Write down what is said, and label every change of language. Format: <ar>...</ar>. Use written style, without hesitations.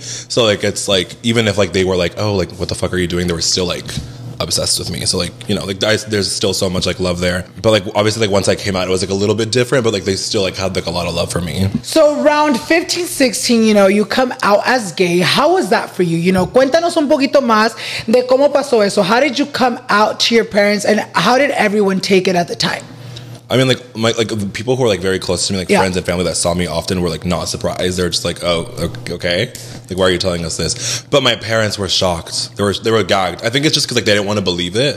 <en>So like, it's like, even if like they were like, oh, like what the fuck are you doing? They were still like obsessed with me. So like, you know, like there's still so much like love there. But like, obviously like once I came out, it was like a little bit different, but like they still like had like a lot of love for me. So around 15, 16, you know, you come out as gay. How was that for you? You know,</en> <es>cuéntanos un poquito más de cómo pasó eso.</es> <en>How did you come out to your parents and how did everyone take it at the time? I mean, like my, like people who are like very close to me, like friends and family that saw me often were like not surprised. They're just like, oh, okay. Like, why are you telling us this? But my parents were shocked. They were gagged. I think it's just because like they didn't want to believe it.</en>